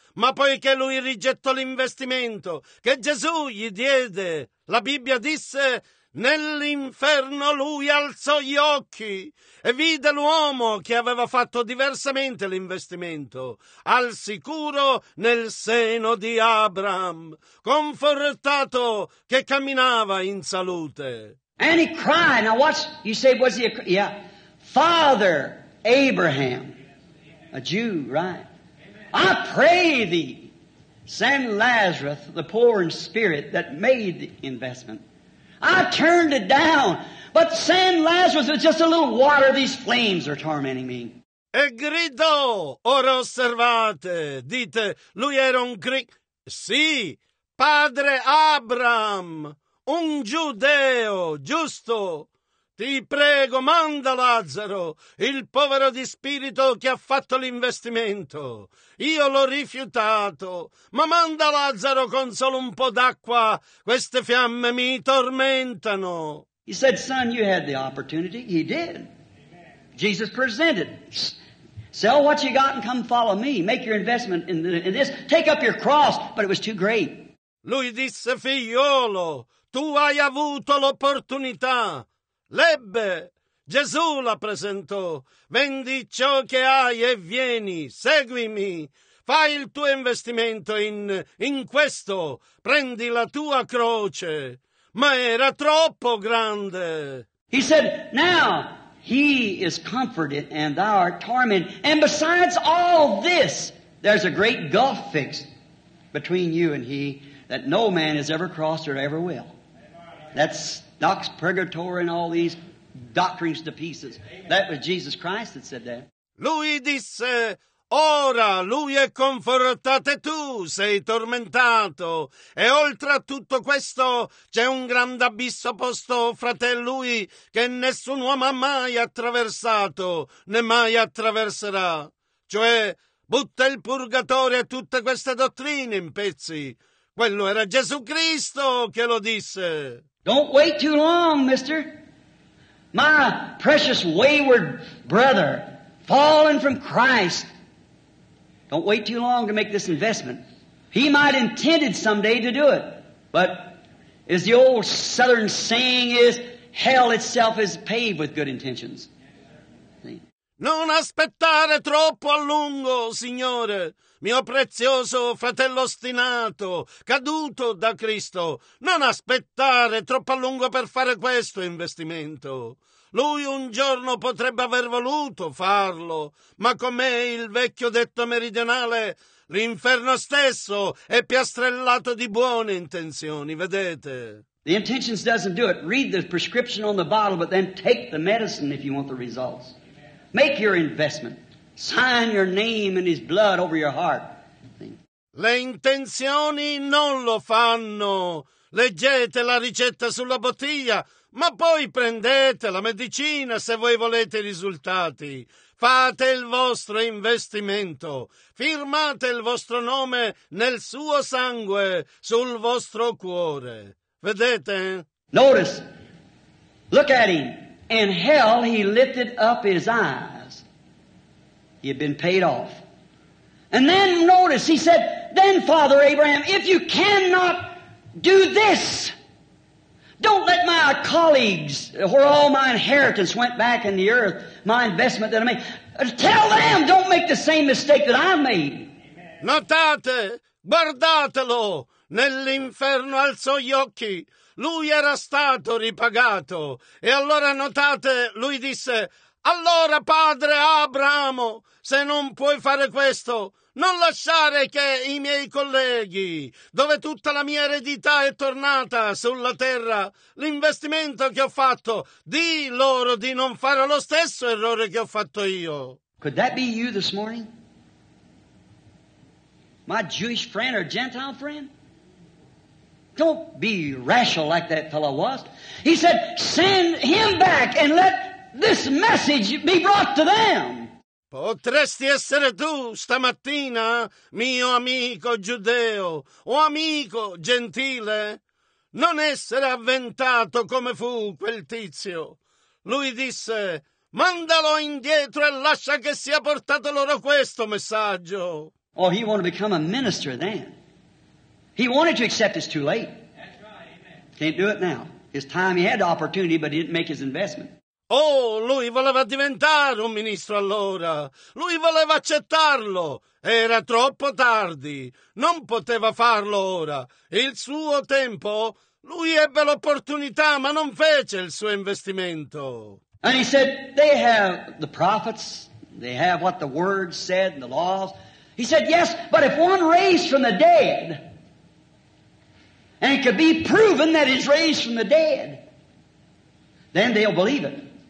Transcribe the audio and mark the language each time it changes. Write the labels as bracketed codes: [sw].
[it] Ma poiché lui rigettò l'investimento che Gesù gli diede, la Bibbia disse, nell'inferno lui alzò gli occhi e vide l'uomo che aveva fatto diversamente l'investimento, al sicuro nel seno di Abraham, confortato che camminava in salute. [en] And he cried. Now watch, you say, was he a... Yeah. Father Abraham, a Jew, right? I pray thee, send Lazarus, the poor in spirit that made the investment. I turned it down, but send Lazarus with just a little water. These flames are tormenting me. [it] E gridò, ora osservate, dite, lui era un greco. Sì, padre Abram, un giudeo, giusto. Ti prego, manda Lazzaro, il povero di spirito che ha fatto l'investimento. Io l'ho rifiutato, ma manda Lazzaro con solo un po' d'acqua. Queste fiamme mi tormentano. [en] He said, son, you had the opportunity. He did. Amen. Jesus presented. Sell what you got and come follow me. Make your investment in this. Take up your cross. But it was too great. [it] Lui disse, figliolo, tu hai avuto l'opportunità. Lebbe, Gesù la presentò, vendi ciò che hai e vieni, seguimi, fai il tuo investimento in questo, prendi la tua croce, ma era troppo grande. [en] He said, now he is comforted and thou art tormented, and besides all this, there's a great gulf fixed between you and he that no man has ever crossed or ever will. That's Dox Purgatory and all these doctrines to pieces. That was Jesus Christ that said that. [it] Lui disse, ora lui è confortato e tu sei tormentato. E oltre a tutto questo c'è un grande abisso posto fra te e lui che nessun uomo ha mai attraversato, né mai attraverserà. Cioè, butta il purgatorio e tutte queste dottrine in pezzi. Quello era Gesù Cristo che lo disse. [en] Don't wait too long, mister. My precious wayward brother, fallen from Christ. Don't wait too long to make this investment. He might have intended someday to do it. But as the old southern saying is, hell itself is paved with good intentions. See? [it] Non aspettare troppo a lungo, signore. Mio prezioso fratello ostinato, caduto da Cristo, non aspettare troppo a lungo per fare questo investimento. Lui un giorno potrebbe aver voluto farlo, ma com'è il vecchio detto meridionale, l'inferno stesso è piastrellato di buone intenzioni, vedete? [en] The intentions doesn't do it. Read the prescription on the bottle, but then take the medicine if you want the results. Make your investment. Sign your name in his blood over your heart. [it] Le intenzioni non lo fanno. Leggete la ricetta sulla bottiglia, ma poi prendete la medicina se voi volete i risultati. Fate il vostro investimento, firmate il vostro nome nel suo sangue, sul vostro cuore. Vedete? [en] Notice, look at him. In hell he lifted up his eyes. He had been paid off. And then notice, he said, then Father Abraham, if you cannot do this, don't let my colleagues, where all my inheritance went back in the earth, my investment that I made, tell them don't make the same mistake that I made. [it] Notate, guardatelo, nell'inferno alzò gli occhi. Lui era stato ripagato. E allora notate, lui disse, allora padre Abramo, se non puoi fare questo, non lasciare che i miei colleghi, dove tutta la mia eredità è tornata sulla terra, l'investimento che ho fatto, di loro di non fare lo stesso errore che ho fatto io. [en] Could that be you this morning? My Jewish friend or Gentile friend? Don't be rational like that fellow was. He said, send him back and let this message be brought to them. [it] Potresti essere tu stamattina, mio amico giudeo o amico gentile? Non essere avventato come fu quel tizio. Lui disse, mandalo indietro e lascia che sia portato loro questo messaggio. [en] Oh, he wanted to become a minister then. He wanted to accept, it's too late. Can't do it now. His time, he had the opportunity, but he didn't make his investment. [it] Oh, lui voleva diventare un ministro allora. Lui voleva accettarlo. Era troppo tardi. Non poteva farlo ora. Il suo tempo, lui ebbe l'opportunità, ma non fece il suo investimento. [en] And he said, they have the prophets. They have what the word said and the laws. He said, yes, but if one raised from the dead, and it could be proven that he's raised from the dead, then they'll believe it.